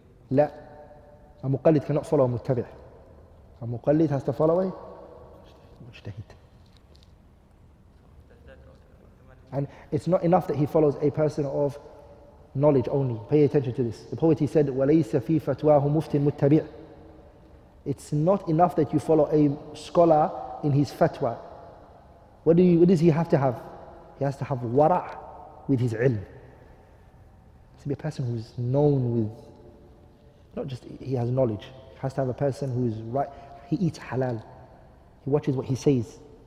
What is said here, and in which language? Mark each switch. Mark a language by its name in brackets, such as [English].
[English] لا. A muqallid cannot follow a muttabi'. A muqallid has to follow a mujtahid. And it's not enough that he follows a person of knowledge only. Pay attention to this. The poet, he said, [Arabic] وَلَيْسَ فِي فَتْوَاهُ مُفْتٍ مُتَّبِعٍ. [English] It's not enough that you follow a scholar in his fatwa. What does he have to have? He has to have wara' with his ilm. To be a person who's known with, not just he has knowledge. He has to have a person who is right. He eats halal. He watches what he says.